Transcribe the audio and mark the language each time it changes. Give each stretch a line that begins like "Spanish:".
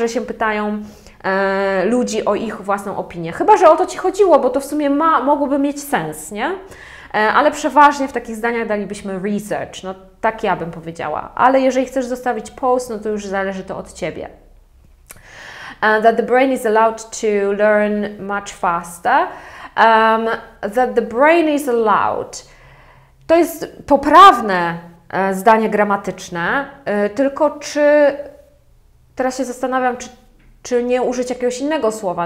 Polish: Że się pytają ludzi o ich własną opinię. Chyba, że o to Ci chodziło, bo to w sumie mogłoby mieć sens, nie? Ale przeważnie w takich zdaniach dalibyśmy research. No, tak ja bym powiedziała. Ale jeżeli chcesz zostawić post, no to już zależy to od Ciebie.
English: That the brain is allowed to learn much faster. That the brain is allowed.
Polish: To jest poprawne zdanie gramatyczne, tylko czy... Teraz się zastanawiam, czy nie użyć jakiegoś innego słowa.